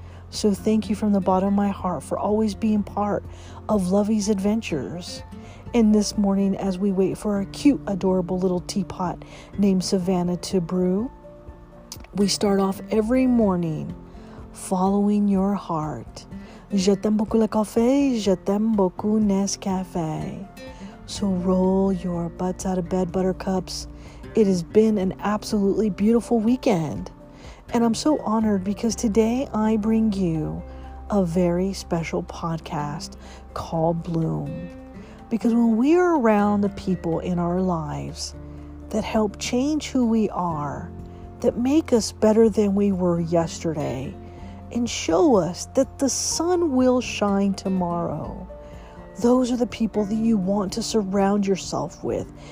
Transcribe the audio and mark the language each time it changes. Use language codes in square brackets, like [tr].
[en] So thank you from the bottom of my heart for always being part of Lovey's Adventures. And this morning, as we wait for our cute, adorable little teapot named Savannah to brew, we start off every morning following your heart. [fr] Je t'aime beaucoup le café, je t'aime beaucoup Nescafé. [en] So roll your butts out of bed, buttercups. It has been an absolutely beautiful weekend, and I'm so honored because today I bring you a very special podcast called Bloom. Because when we are around the people in our lives that help change who we are, that make us better than we were yesterday, and show us that the sun will shine tomorrow, those are the people that you want to surround yourself with.